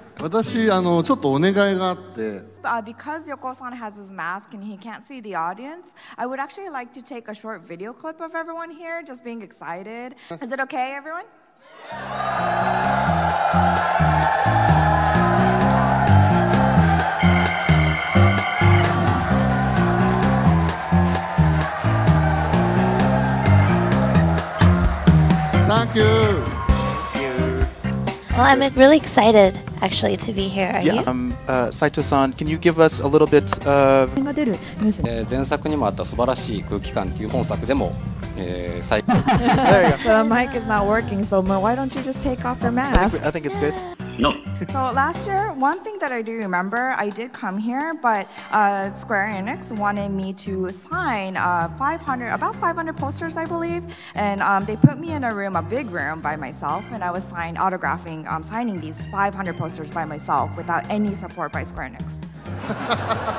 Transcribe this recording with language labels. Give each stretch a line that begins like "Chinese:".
Japanese: 私あのちょっとお願いがあって、
English: Because Yoko-san has his mask and he can't see the audience, I would actually like to take a short video clip of everyone here, just being excited. Is it okay, everyone? Thank you. Well, I'm really excited. Actually, to be here, are yeah, you? Saito-san, can you give us a little bit of...
Japanese: 前作にもあった素晴らしい空気感っていう本作でも、最高。
English: There you go. The mic is not working, so why don't you just take off your mask? I think it's good. No. So last year, one thing that I do remember, I did come here, but Square Enix wanted me to sign about 500 posters, I believe. And they put me in a room, a big room by myself, and I was signing these 500 posters by myself without any support by Square Enix.